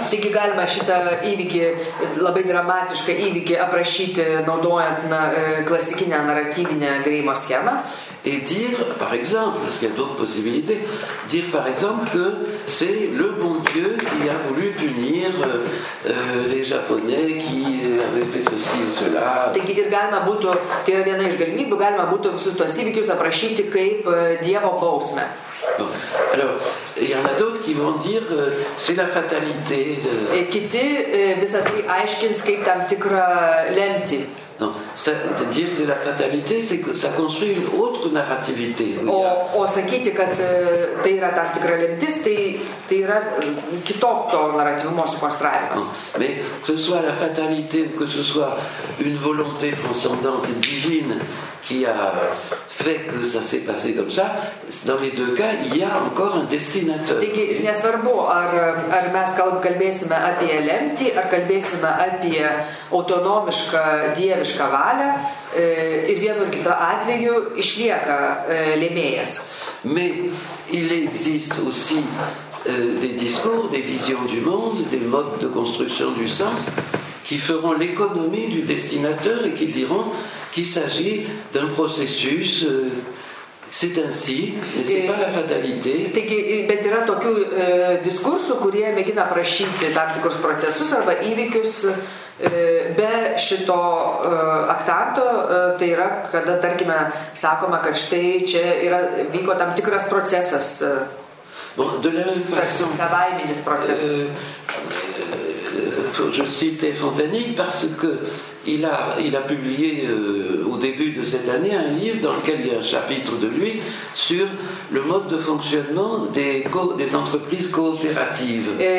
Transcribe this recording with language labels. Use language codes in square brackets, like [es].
[fr] C'est que [lt] galima šitą įvykį labai dramatišką įvykį aprašyti naudojant klasikinę naratyvinę Grimo schemą. [fr] Et dire, par exemple, parce qu'il y a d'autres possibilités, dire par exemple que c'est le bon Dieu qui a voulu punir les Japonais qui avaient fait ceci et cela. [lt] Taigi ir galima būtų, tai yra viena iš galimybių, galima būtų visus tos įvykius aprašyti kaip Dievo bausmę. [fr] Bon. Alors, il y en a d'autres qui vont dire c'est la fatalité. Et qui dit [lt] visa tai aiškins kaip tam tikrą lemtį. [fr] Non, ça, dire c'est la fatalité, c'est que ça construit une autre narrativité. [lt] O sakyti, kad tai yra tam tikra lemtis, tai yra kitokio naratyvumo sukonstravimas. [fr] Mais que ce soit la fatalité ou que ce soit une volonté transcendante et divine qui a fait que ça s'est passé comme ça, dans les deux cas, il y a encore un destinateur. [lt] Taigi, nesvarbu, ar mes kalbėsime apie lemtį, ar kalbėsime apie autonomišką dievišką valią, ir vienu ir kito atveju išlieka lėmėjas. [fr] Mais il existe aussi des discours, des visions du monde, des modes de construction du sens, qui feront l'économie du destinateur et qui diront qu'il s'agit d'un processus, c'est ainsi, mais c'est pas la fatalité. [lt] Taigi, bet yra tokių diskursų, kurie mėgina aprašyti tam tikrus procesus arba įvykius be šito aktanto, tai yra, kada, tarkime, sakoma, kad štai čia yra, vyko tam tikras procesas. [fr] Bon, de la même façon, [lt] savaiminis procesas. [fr] Je cite Fontanille parce que il a publié au début de cette année un livre dans lequel il y a un chapitre de lui sur le mode de fonctionnement des entreprises coopératives.